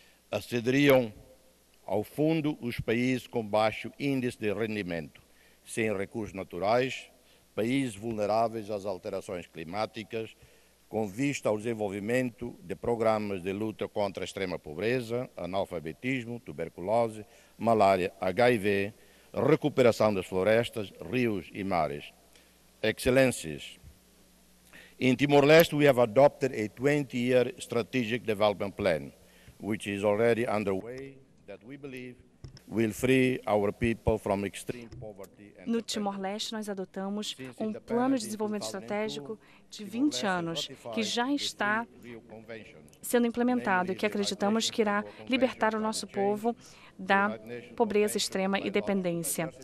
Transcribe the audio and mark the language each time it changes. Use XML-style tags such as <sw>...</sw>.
<pt>Acederiam ao fundo os países com baixo índice de rendimento, sem recursos naturais, países vulneráveis às alterações climáticas, com vista ao desenvolvimento de programas de luta contra a extrema pobreza, analfabetismo, tuberculose, malária, HIV, recuperação das florestas, rios e mares.</pt> <en>Excelências, in Timor-Leste we have adopted a 20-year strategic development plan, which is already underway, that we believe will free our people from extreme poverty.</en> <pt>No Timor-Leste, nós adotamos um plano de desenvolvimento estratégico de 20 anos, que já está sendo implementado e que acreditamos que irá libertar o nosso povo da pobreza extrema e dependência.</pt>